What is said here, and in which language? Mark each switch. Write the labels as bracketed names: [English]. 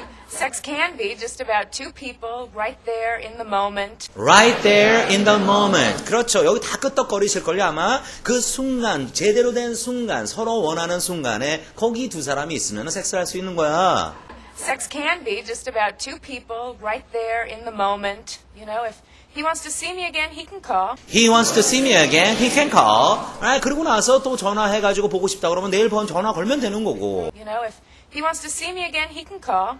[English] Sex can be just about two people right there in the moment. Right there in the moment. [Korean] 그렇죠. 여기 다 끄떡거리실걸요 아마. 그 순간, 제대로 된 순간, 서로 원하는 순간에 거기 두 사람이 있으면 섹스를 할 수 있는 거야. [English] Sex can be just about two people right there in the moment. You know, if he wants to see me again, he can call. He wants to see me again, he can call. [Korean] 아, 그러고 나서 또 전화해가지고 보고 싶다 그러면 내일 번 전화 걸면 되는 거고. [English] You know, if he wants to see me again, he can call.